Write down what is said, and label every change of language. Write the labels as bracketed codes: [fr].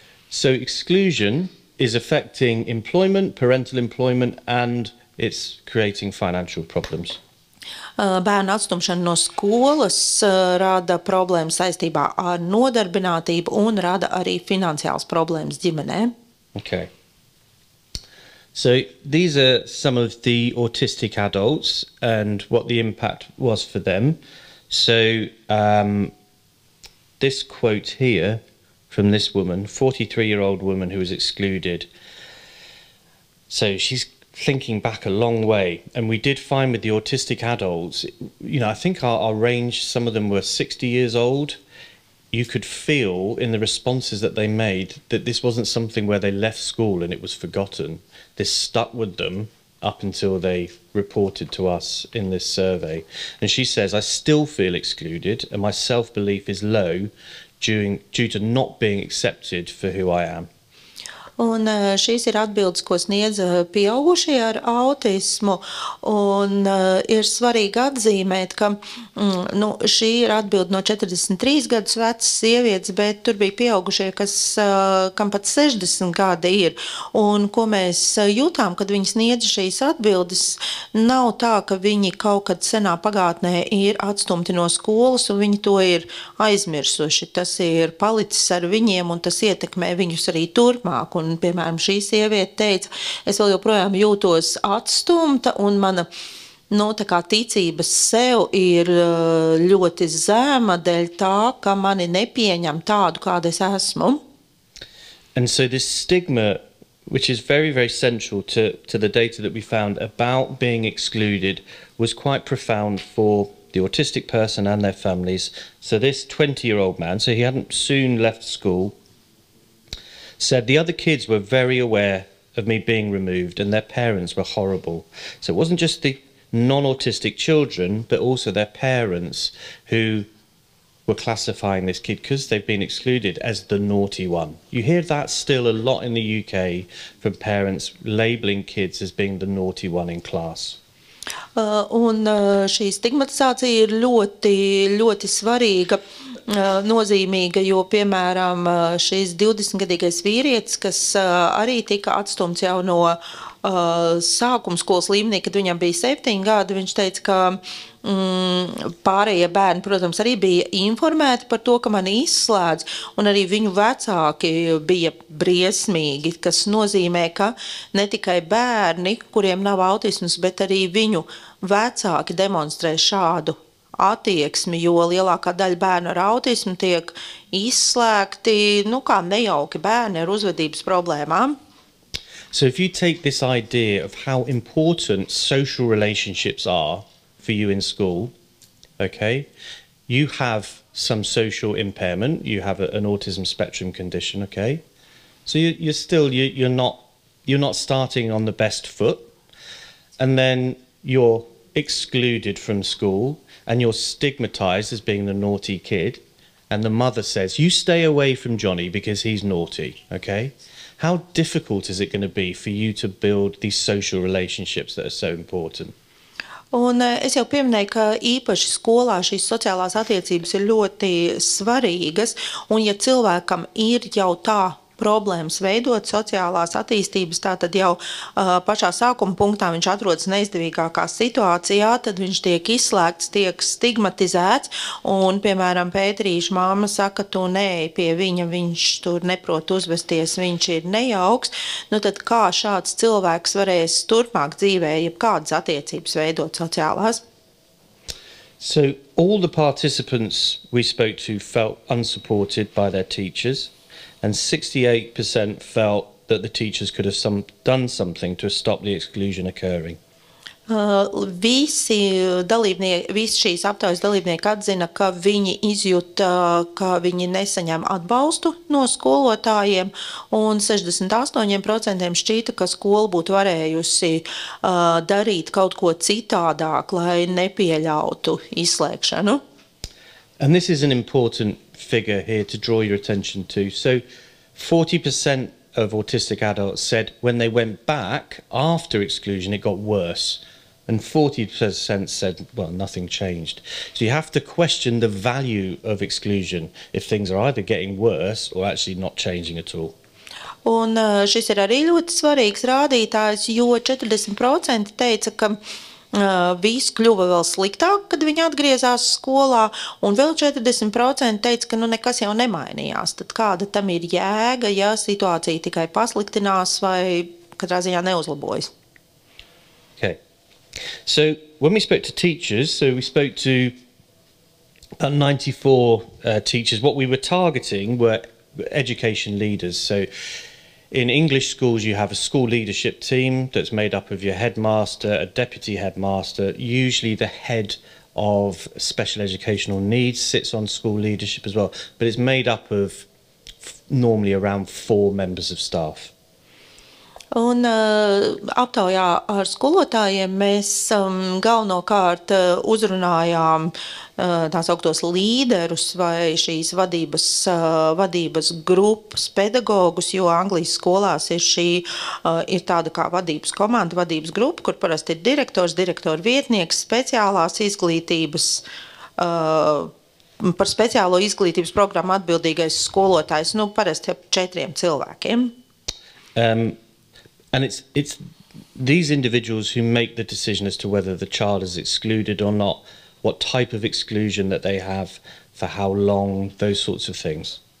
[en] So exclusion is affecting employment, parental employment, and it's creating financial problems. [lv] Bērnu atstumšana no skolas rada problēmas saistībā ar nodarbinātību un rada arī finansiālas problēmas ģimenē. [en] Okay. So these are some of the autistic adults and what the impact was for them. So this quote here from this woman, 43-year-old woman who was excluded. So she's thinking back a long way, and we did find with the autistic adults, you know, I think our range, some of them were 60 years old. You could feel in the responses that they made that this wasn't something where they left school and it was forgotten. This stuck with them up until they reported to us in this survey. And she says, I still feel excluded and my self-belief is low due to not being accepted for who I am. [lv] Un šīs ir atbildes, ko sniedz pieaugušie ar autismu, un ir svarīgi atzīmēt, ka nu, šī ir atbilde no 43 gadus vecas sievietes, bet tur bija pieaugušie, kam pat 60 gadi ir, un ko mēs jūtām, kad viņi sniedz šīs atbildes, nav tā, ka viņi kaut kad senā pagātnē ir atstumti no skolas, un viņi to ir aizmirsuši, tas ir palicis ar viņiem, un tas ietekmē viņus arī turpmāk. Un, piemēram, šī sieviete teica, es vēl joprojām jūtos atstumta, un mana, nu, tā kā ticība sev ir ļoti zema dēļ tā, ka mani nepieņem tādu, kāda es esmu. [en] And so this stigma, which is very, very central to the data that we found about being excluded, was quite profound for the autistic person and their families. So this 20-year-old man, so he hadn't soon left school, said the other kids were very aware of me being removed and their parents were horrible. So it wasn't just the non-autistic children, but also their parents who were classifying this kid because they've been excluded as the naughty one. You hear that still a lot in the UK from parents labeling kids as being the naughty one in class. [lv] Un šī stigmatizācija ir ļoti, ļoti svarīga, nozīmīga, jo, piemēram, šis 20-gadīgais vīrietis, kas arī tika atstumts jau no sākuma skolas līmenī, kad viņam bija 7 gadi, viņš teica, ka pārējie bērni, protams, arī bija informēti par to, ka mani izslēdz, un arī viņu vecāki bija briesmīgi, kas nozīmē, ka ne tikai bērni, kuriem nav autismus, bet arī viņu vecāki demonstrē šādu attieksmi, jo lielākā daļa bērnu ar autismu tiek izslēgti, nu kā nejauki bērni ar uzvedības problēmām. [en] So if you take this idea of how important social relationships are for you in school, okay, you have some social impairment, you have an autism spectrum condition, okay, so you're not starting on the best foot, and then you're excluded from school, and you're stigmatized as being the naughty kid, and the mother says, you stay away from Johnny because he's naughty, okay? How difficult is it going to be for you to build these social relationships that are so important? [lv] Un es jau pieminēju, ka īpaši skolā šīs sociālās attiecības ir ļoti svarīgas, un ja cilvēkam ir jau tā problēmas veidot sociālās attīstības, tātad jau pašā sākuma punktā viņš atrodas neizdevīgākā situācijā, tad viņš tiek izslēgts, tiek stigmatizēts, un, piemēram, Pētrīša māma saka, tu neej pie viņa, viņš tur neprot uzvesties, viņš ir nejauks. Nu tad kā šāds cilvēks varēs turpmāk dzīvē, jeb kādas attiecības veidot sociālās? [en] So all the participants we spoke to felt unsupported by their teachers, and 68% felt that the teachers could have done something to stop the exclusion occurring. [lv] Visi šīs aptaujas dalībnieki atzina, ka viņi izjūta, ka viņi nesaņem atbalstu no skolotājiem, un 68% šķita, ka skola būtu varējusi darīt kaut ko citādāk, lai nepieļautu izslēgšanu. [en] And this is an important figure here to draw your attention to. So 40% of autistic adults said when they went back after exclusion it got worse. And 40% said, well, nothing changed. So you have to question the value of exclusion if things are either getting worse or actually not changing at all. [lv] Un šis ir arī ļoti svarīgs rādītājs, jo 40% teica, ka viss kļuva vēl sliktāk, kad viņi atgriezās skolā, un vēl 40% teica, ka nu nekas jau nemainījās. Tad kāda tam ir jēga, ja situācija tikai pasliktinās vai katrā ziņā neuzlabojas? [en] Okay. So when we spoke to teachers, so we spoke to about 94 teachers, what we were targeting were education leaders. So in English schools you have a school leadership team that's made up of your headmaster, a deputy headmaster, usually the head of special educational needs sits on school leadership as well, but it's made up of normally around 4 members of staff. [lv] Un aptaujā ar skolotājiem mēs galvenokārt uzrunājām tās augtos līderus vai šīs vadības grupas pedagogus, jo Anglijas skolās ir šī ir tāda kā vadības komanda, vadības grupa, kur parasti ir direktors, direktora vietnieks, speciālās izglītības par speciālo izglītības programmu atbildīgais skolotājs, nu parasti ap 4 cilvēkiem. [en] And it's these individuals who make the decision as to whether the child is excluded or not, what type of exclusion that they have, for how long, those sorts of things.